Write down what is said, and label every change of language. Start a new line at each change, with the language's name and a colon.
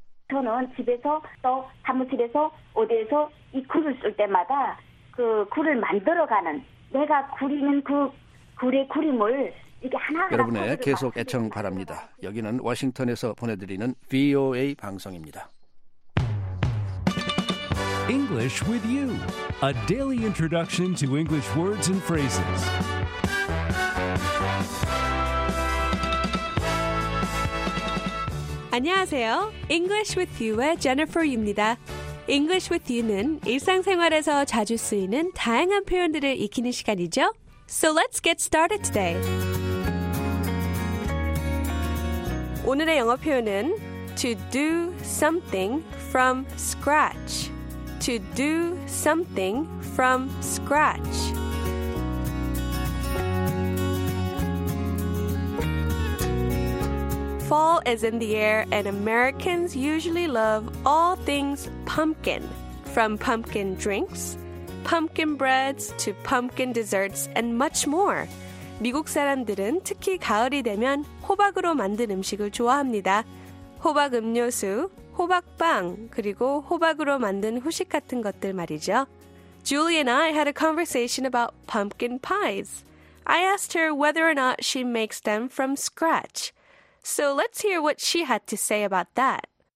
Korean: 저는 집에서 또 사무실에서 어디에서 이 굴을 쓸 때마다 그 굴을 만들어가는 내가 굴이는 그 굴의 굴임을 이게 하나하나 여러분의 계속 애청 바랍니다. 여기는 워싱턴에서 보내드리는 VOA 방송입니다.
English: English with you. A daily introduction to English words and phrases.
Korean: 안녕하세요. English with you의 제니퍼입니다. English with you는 일상생활에서 자주 쓰이는 다양한 표현들을 익히는 시간이죠.
English: So let's get started today.
Korean: 오늘의 영어 표현은
English: to do something from scratch. To do something from scratch. 'Fall is in the air, and Americans usually love all things pumpkin, from pumpkin drinks, pumpkin breads, to pumpkin desserts, and much more.
Korean: 미국 사람들은 특히 가을이 되면 호박으로 만든 음식을 좋아합니다. 호박 음료수, 호박빵, 그리고 호박으로 만든 후식 같은 것들 말이죠.
English: Julie and I had a conversation about pumpkin pies. I asked her whether or not she makes them from scratch. So let's hear what she had to say about that.